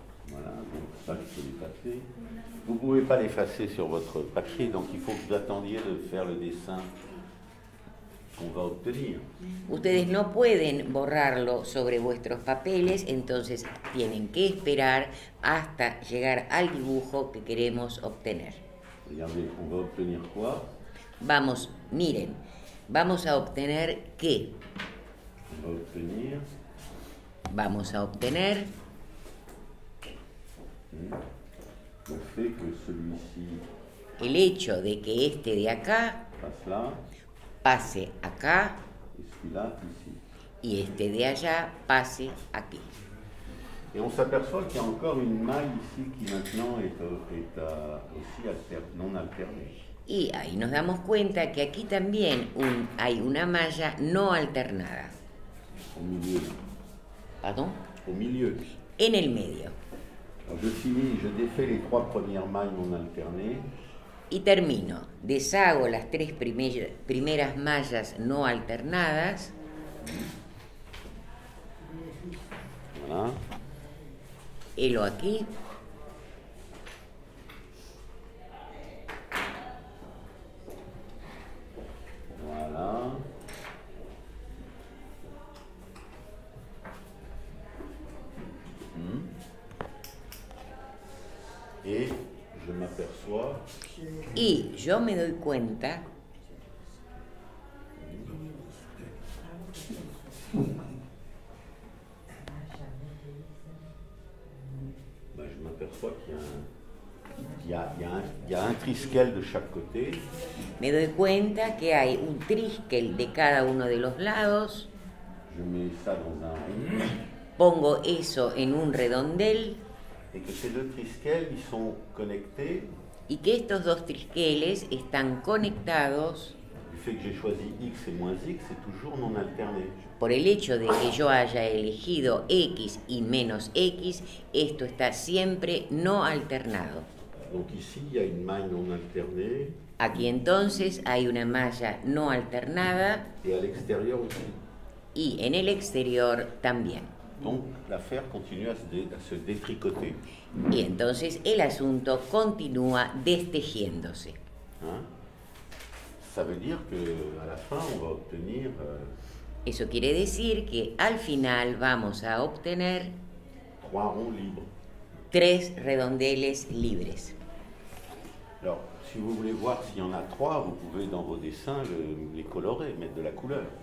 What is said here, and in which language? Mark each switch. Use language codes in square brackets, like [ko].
[fr] Voilà, donc ça je peux l'effacer. Vous ne pouvez pas l'effacer sur votre papier, donc il faut que vous attendiez de faire le dessin on va obtenir. [es] Ustedes no pueden borrarlo sobre vuestros papeles, entonces tienen que esperar hasta llegar al dibujo que queremos obtener. [fr] Regardez, on va obtenir quoi? [es] Vamos, miren, vamos a obtener qué? [fr] On va obtenir. [es] Vamos a obtener. [fr] Le fait que celui-ci. [es] El hecho de que este de acá pase, [fr] là, [es] pase acá [fr] celui-là, ici. [es] Y este de allá pase aquí. [fr] Et on s'aperçoit qu'il y a encore une maille ici qui maintenant est, est aussi non alternée. [es] Y ahí nos damos cuenta que aquí también hay una malla no alternada. [fr] Au milieu. Pardon? Au milieu. [es] En el medio. [fr] Alors je finis, je défais les trois premières mailles non alternées. [es] Y termino, deshago las tres primeras mallas no alternadas. [fr] Voilà. [es] Helo aquí. [fr] Voilà. Et je m'aperçois. [es] Y yo me doy cuenta. [fr] Bah, je m'aperçois qu'il y a un triskel de chaque côté. [es] Me doy cuenta que hay un triskel de cada uno de los lados. [fr] Je mets ça dans un rond. [es] Pongo eso en un redondel. [fr] Et que ces deux triskels ils sont connectés. [es] Y que estos dos triskeles están conectados. [fr] Du fait que j'ai choisi x et moins x, c'est toujours non alterné. [es] Por el hecho de que yo haya elegido x y menos x, esto está siempre no alternado. [fr] Donc ici il y a une maille non alternée. [es] Aquí entonces hay una malla no alternada. [fr] Et à l'extérieur aussi. [es] Y en el exterior también. [fr] Donc l'affaire continue à se détricoter. [es] Y entonces el asunto continúa destejiéndose. [fr] Hein? Ça veut dire que à la fin on va obtenir. [es] Eso quiere decir que al final vamos a obtener [fr] trois ronds libres. [es] Tres redondeles libres. [fr] Alors, si vous voulez voir s'il y en a trois, vous pouvez dans vos dessins les colorer, mettre de la couleur.